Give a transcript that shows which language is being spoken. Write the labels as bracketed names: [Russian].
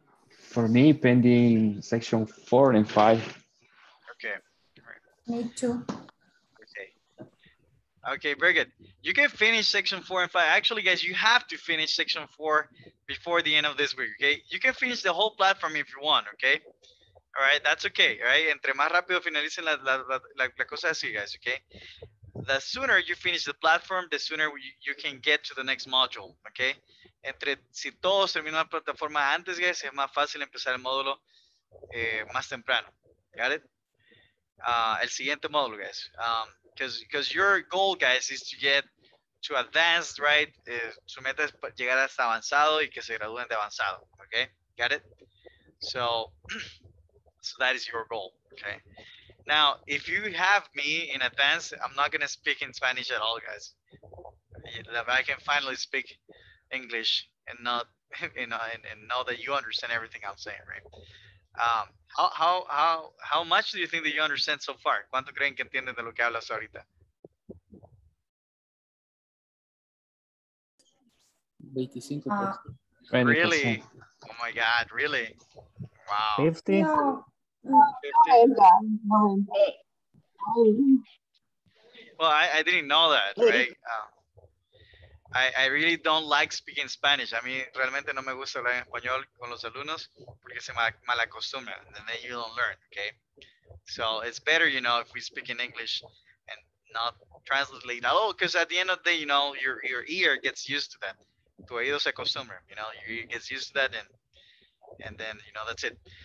[English] For me, pending section 4 and 5. Okay. Me too. Okay, very good. You can finish section 4 and 5. Actually, guys, you have to finish section 4 before the end of this week, okay? You can finish the whole platform if you want, okay? All right, that's okay, right? [Spanish] Entre más rápido finalicen la cosa así, guys, okay? [English] The sooner you finish the platform, the sooner you can get to the next module, okay? [Spanish] Entre si todos terminan la plataforma antes, guys, es más fácil empezar el módulo más temprano. [English] Got it? [Spanish] El siguiente módulo, guys. [English] Because your goal, guys, is to get to advanced, right? [Spanish] Su meta es llegar hasta avanzado y que se gradúen de avanzado, okay? [English] Got it? So that is your goal, okay? Now, if you have me in advanced, I'm not gonna speak in Spanish at all, guys. I can finally speak English and not, you know, and know that you understand everything I'm saying, right? How much do you think that you understand so far? [Spanish] ¿Cuánto creen que entienden de lo que hablas ahorita? [English] 25%. Really? Oh my God, really? Wow. 50? Well, I didn't know that, right? I really don't like speaking Spanish. [Spanish] A mí realmente no me gusta hablar en español con los alumnos porque se mal acostumbra. [English] And then you don't learn, okay? So it's better, you know, if we speak in English and not translate at all, because at the end of the day, you know, your ear gets used to that. [Spanish] Tu oído se acostumbra, [English] you know, your ear gets used to that, and then, you know, that's it.